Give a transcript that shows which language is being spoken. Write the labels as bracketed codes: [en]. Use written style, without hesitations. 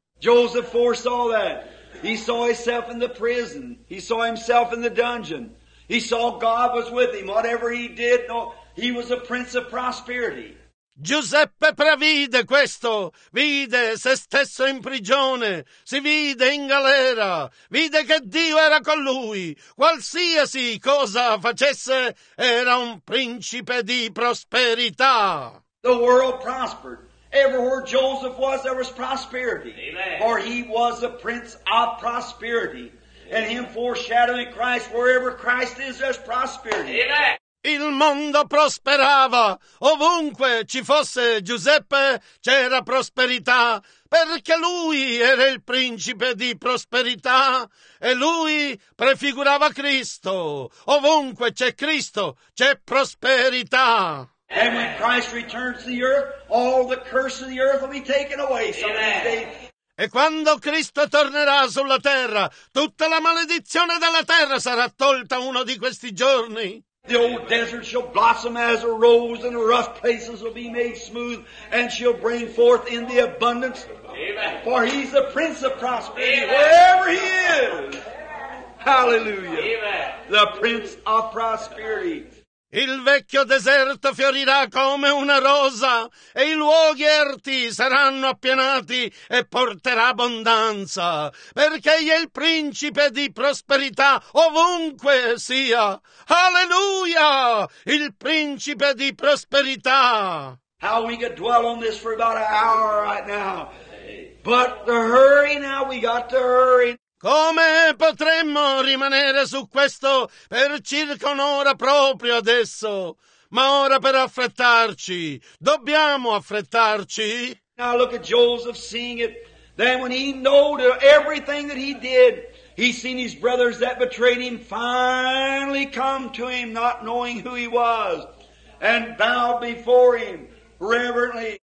[en] Joseph foresaw that. He saw himself in the prison. He saw himself in the dungeon. He saw God was with him. Whatever he did, no, he was a prince of prosperity. [it] Giuseppe previde questo, vide se stesso in prigione, si vide in galera, vide che Dio era con lui, qualsiasi cosa facesse era un principe di prosperità. [en] The world prospered. Everywhere Joseph was, there was prosperity. Amen. For he was a prince of prosperity. Amen. And him foreshadowing Christ, wherever Christ is, there's prosperity. Amen. [it] Il mondo prosperava, ovunque ci fosse Giuseppe c'era prosperità, perché lui era il principe di prosperità e lui prefigurava Cristo. Ovunque c'è Cristo c'è prosperità. [en] And when Christ returns to the earth, all the curse of the earth will be taken away. [it] E quando Cristo tornerà sulla terra, tutta la maledizione della terra sarà tolta uno di questi giorni. [en] The old desert shall blossom as a rose, and the rough places will be made smooth, and shall bring forth in the abundance. Amen. For he's the prince of prosperity. Amen. Wherever he is. Hallelujah. Amen. The prince of prosperity. [it] Il vecchio deserto fiorirà come una rosa, e i luoghi erti saranno appianati e porterà abbondanza, perché egli è il principe di prosperità ovunque sia. Alleluia! Il principe di prosperità! [en] How we could dwell on this for about an hour right now, but the hurry now, we got to hurry. [it] Come potremmo rimanere su questo per circa un'ora proprio adesso? Ma ora per affrettarci, dobbiamo affrettarci. [en] Now look at Joseph seeing it. Then when he knew everything that he did, he seen his brothers that betrayed him finally come to him, not knowing who he was, and bowed before him reverently.